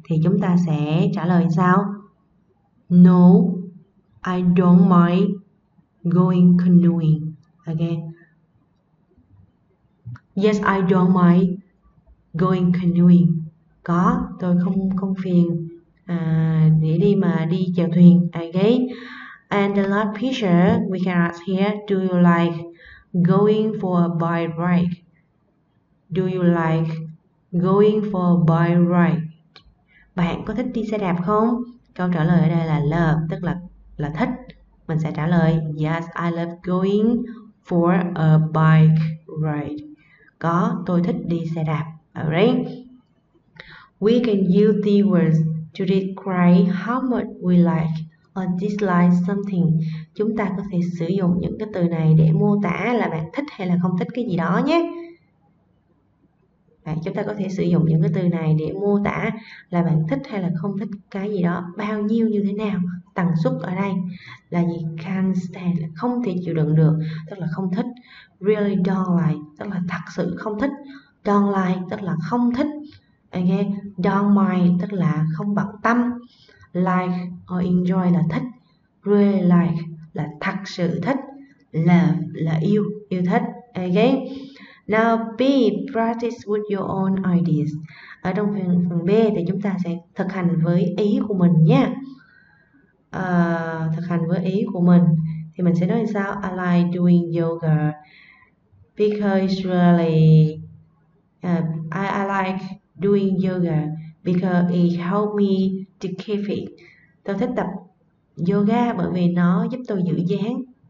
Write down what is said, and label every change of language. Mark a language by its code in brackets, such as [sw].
[vi] Thì chúng ta sẽ trả lời sao? [en] No, I don't mind going canoeing. Okay. Yes, I don't mind going canoeing. [vi] Có, tôi không phiền để đi chèo thuyền. [en] Okay. And the last picture we can ask here, do you like going for a bike ride? Do you like going for a bike ride? [vi] Bạn có thích đi xe đạp không? Câu trả lời ở đây là love, tức là thích. Mình sẽ trả lời [en] yes, I love going for a bike ride. [vi] Có, tôi thích đi xe đạp. Alright. [en] We can use these words to describe how much we like or dislike something. [vi] Chúng ta có thể sử dụng những cái từ này để mô tả là bạn thích hay là không thích cái gì đó nhé. Đấy, chúng ta có thể sử dụng những cái từ này để mô tả là bạn thích hay là không thích cái gì đó, bao nhiêu, như thế nào. Tần suất ở đây là gì? Can't stand là không thể chịu đựng được, tức là không thích. Really don't like tức là thật sự không thích. Don't like tức là không thích. Okay. Don't mind tức là không bận tâm. Like or enjoy là thích. Really like là thật sự thích. Love là yêu, yêu thích. Okay. [en] Now B, practice with your own ideas. [vi] Ở trong phần B thì chúng ta sẽ thực hành với ý của mình nha. Thực hành với ý của mình thì mình sẽ nói sao? [en] I like doing yoga because really I like doing yoga because it help me to keep fit. [vi] Tôi thích tập yoga bởi vì nó giúp tôi giữ dáng.